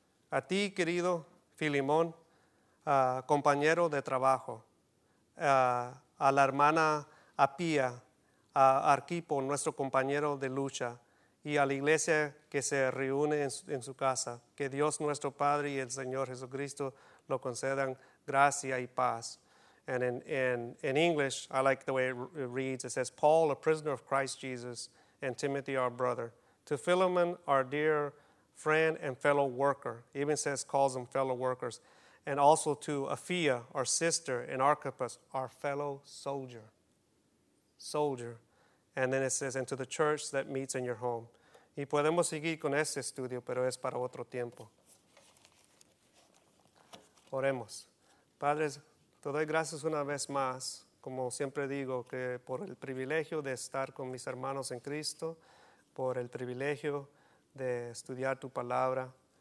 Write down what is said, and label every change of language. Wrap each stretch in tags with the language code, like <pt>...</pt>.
<es>A ti, querido Filemón, compañero de trabajo, a la hermana Apía, a Arquipo, nuestro compañero de lucha, y a la iglesia que se reúne en su casa, que Dios nuestro Padre y el Señor Jesucristo lo concedan gracia y paz.</es> <en>And in English, I like the way it reads. It says, Paul, a prisoner of Christ Jesus, and Timothy, our brother. To Philemon, our dear friend and fellow worker. Even says, calls them fellow workers. And also to Apphia, our sister, and Archippus, our fellow soldier. Soldier. And then it says, and to the church that meets in your home.</en> <es>Y podemos seguir con este estudio, pero es para otro tiempo. Oremos. Padres, te doy gracias una vez más, como siempre digo, que por el privilegio de estar con mis hermanos en Cristo, por el privilegio de estudiar tu palabra.</es>